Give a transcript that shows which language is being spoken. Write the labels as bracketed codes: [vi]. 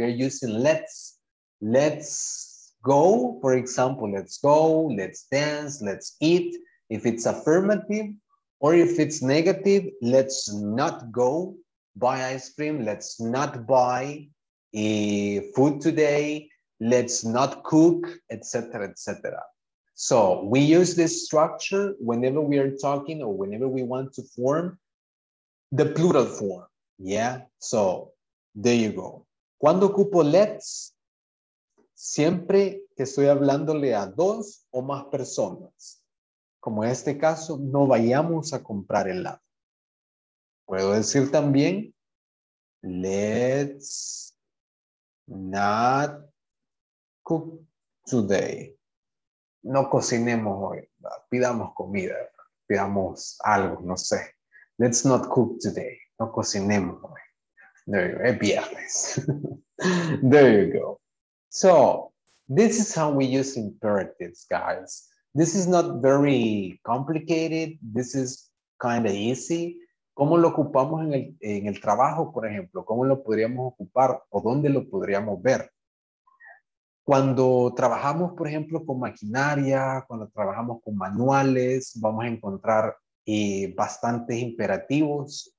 [en] We are using let's go, for example, let's go, let's dance, let's eat, if it's affirmative, or if it's negative, let's not go buy ice cream, let's not buy food today, let's not cook, etc., etc. So we use this structure whenever we are talking or whenever we want to form the plural form, yeah? So there you go. [es] Cuando ocupo let's, siempre que estoy hablándole a dos o más personas, como en este caso, no vayamos a comprar helado. [en] Puedo decir también, let's not cook today. [es] No cocinemos hoy, pidamos comida, pidamos algo, no sé. [en] Let's not cook today. [es] No cocinemos hoy. [en] There you go. [es] Es viernes. [en] There you go. So, this is how we use imperatives, guys. This is not very complicated. This is kind of easy. [es] ¿Cómo lo ocupamos en el trabajo, por ejemplo? ¿Cómo lo podríamos ocupar o dónde lo podríamos ver? Cuando trabajamos, por ejemplo, con maquinaria, cuando trabajamos con manuales, vamos a encontrar bastantes imperativos.